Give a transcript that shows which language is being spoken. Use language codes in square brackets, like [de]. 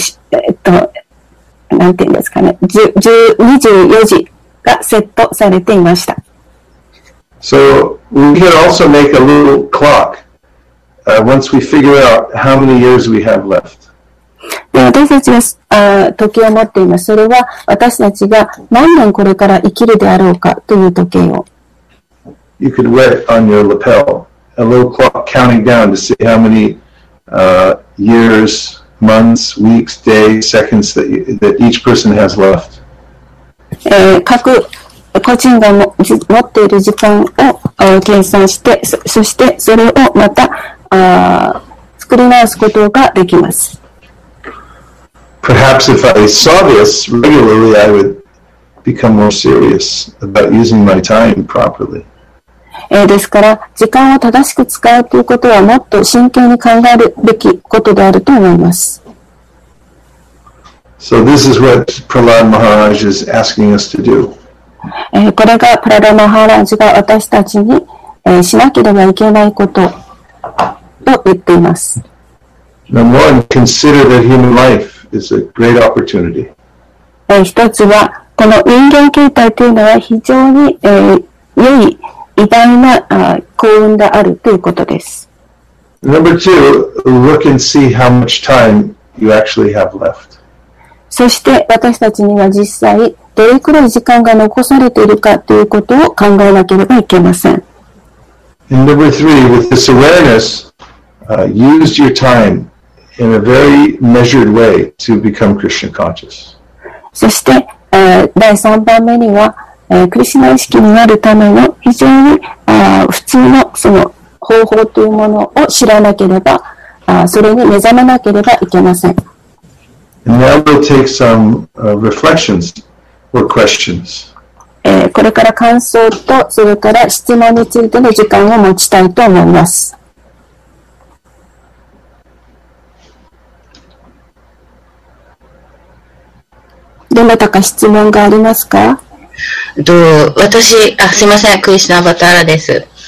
[ja] なんて言うんですかね、24時がセットされていました。 [en] So we could also make a little clock once we figure out how many years we have left. [ja] 私たちは時計を持っています。それは私たちが何年これから生きるであろうかという時計を。 [en] You could wear it on your lapel, a little clock counting down to see how many yearsmonths, weeks, days, seconds that each person has left. [ja] 各個人が持っている時間を計算して、そしてそれをまた作り直すことができます。 [en] Perhaps if I saw this regularly, I would become more serious about using my time properly. [ja] ですから、時間を正しく使うということはもっと真剣に考えるべきことであると思います。 [en] So this is what Prahlad Maharaj is asking us to do. [ja] これがプラダマハラジが私たちにしなければいけないことを言っています。 [en] Number one, consider that human life is a great opportunity. [ja] 一つはこの人間形態というのは非常に良い偉大な幸運であるということです。 [en] Number two, look and see how much time you actually have left. [ja] そして私たちには実際どれくらい時間が残されているかということを考えなければいけません。 [en] And number three, with this awareness, use your time in a very measured way to become Krishna conscious. [ja] そして、第3番目には、クリシナ意識になるための非常に普通のその方法というものを知らなければ、それに目覚めなければいけません。 [en] And now we'll take some reflections or questions. [ja] これから感想とそれから質問についての時間を持ちたいと思います。どなたか質問がありますか？どう、私、あ、すいません、クリシナ・バタラです。